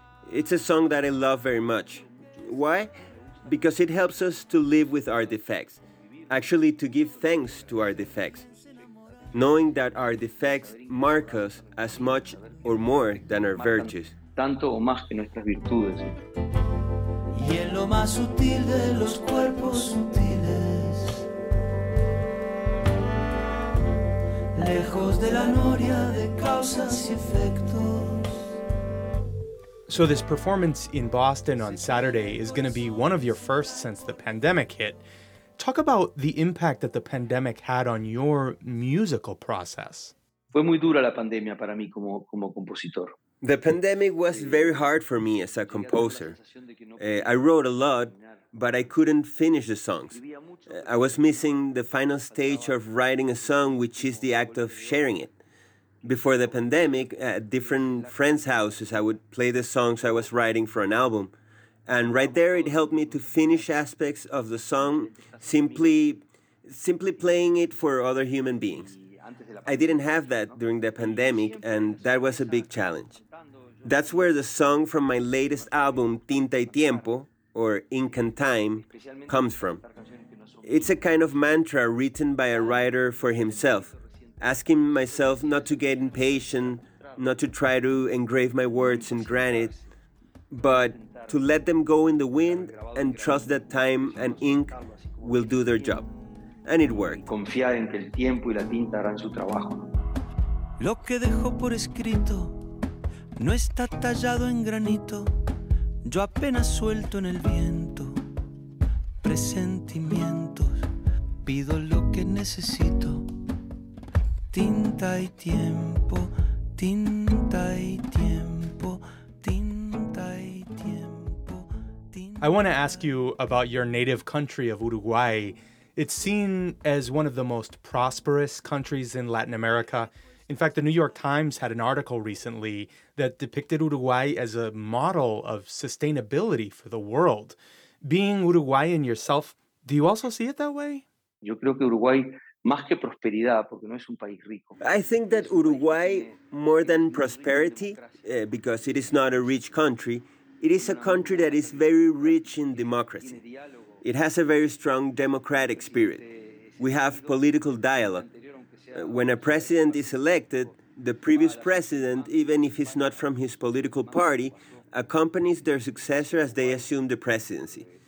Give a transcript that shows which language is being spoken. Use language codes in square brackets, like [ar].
[en] It's a song that I love very much. Why? Because it helps us to live with our defects, actually to give thanks to our defects, knowing that our defects mark us as much or more than our virtues. [es] Tanto o más que nuestras virtudes. Y en lo más sutil de los cuerpos sutiles, lejos de la noria de causas y efectos. [en] So this performance in Boston on Saturday is going to be one of your first since the pandemic hit. Talk about the impact that the pandemic had on your musical process. [es] Fue muy dura la pandemia para mí como compositor. [en] The pandemic was very hard for me as a composer. I wrote a lot, but I couldn't finish the songs. I was missing the final stage of writing a song, which is the act of sharing it. Before the pandemic, at different friends' houses, I would play the songs I was writing for an album. And right there, it helped me to finish aspects of the song, simply playing it for other human beings. I didn't have that during the pandemic, and that was a big challenge. That's where the song from my latest album, Tinta y Tiempo, or Ink and Time, comes from. It's a kind of mantra written by a writer for himself, asking myself not to get impatient, not to try to engrave my words in granite, but to let them go in the wind and trust that time and ink will do their job. And it worked. [es] Confiar en que el tiempo y la tinta harán su trabajo. Lo que dejo por escrito no está tallado en granito. Yo apenas suelto en el viento presentimientos. Pido lo que necesito. Tinta y tiempo, tinta y tiempo, tinta y tiempo. [en] I want to ask you about your native country of Uruguay. It's seen as one of the most prosperous countries in Latin America. In fact, the New York Times had an article recently that depicted Uruguay as a model of sustainability for the world. Being Uruguayan yourself, do you also see it that way? [es] Yo creo que Uruguay más que prosperidad, porque no es un país rico. [en] I think that Uruguay, more than prosperity, because it is not a rich country, it is a country that is very rich in democracy. It has a very strong democratic spirit. We have political dialogue. When a president is elected, the previous president, even if he's not from his political party, accompanies their successor as they assume the presidency.